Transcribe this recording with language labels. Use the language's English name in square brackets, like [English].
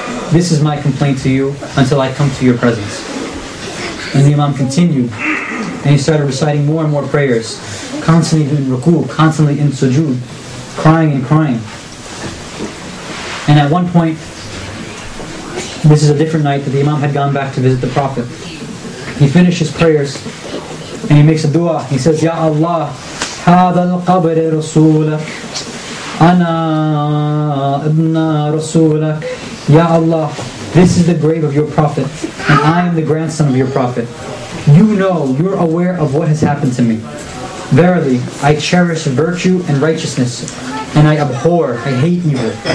[English] This is my complaint to you until I come to your presence. And the Imam continued, and he started reciting more and more prayers, constantly in ruku, constantly in sujood, crying and crying. And at one point, this is a different night that the Imam had gone back to visit the Prophet. He finished his prayers and he makes a dua. He says, [Arabic] Ya Allah, هذا القبر رسولك أنا ابن رسولك. [English] Ya Allah, this is the grave of your Prophet and I am the grandson of your Prophet. You know, you're aware of what has happened to me. Verily, I cherish virtue and righteousness and I abhor, I hate evil.